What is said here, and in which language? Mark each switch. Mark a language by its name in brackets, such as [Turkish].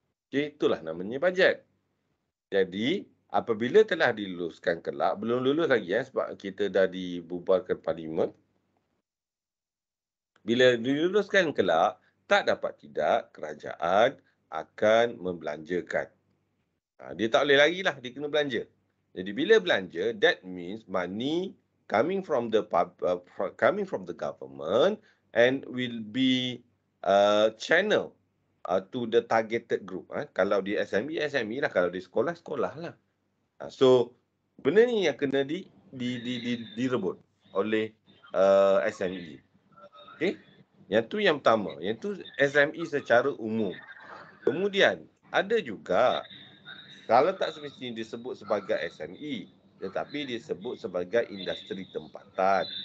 [Malay] Okey, itulah namanya bajet. Jadi, apabila telah diluluskan kelak, belum lulus lagi ya, sebab kita dah dibubarkan parlimen. Bila diluluskan kelak, tak dapat tidak kerajaan akan membelanjakan. Dia tak boleh lagi lah, dia kena belanja. Jadi bila belanja, [English] that means money coming from the coming from the government and will be channel to the targeted group. [Malay] Kalau di SME, SME lah. Kalau di sekolah, sekolah lah. So benda ni yang kena direbut oleh SME. Okay, yang tu yang pertama, yang tu SME secara umum. Kemudian ada juga, kalau tak semestinya disebut sebagai SME, tetapi disebut sebagai industri tempatan.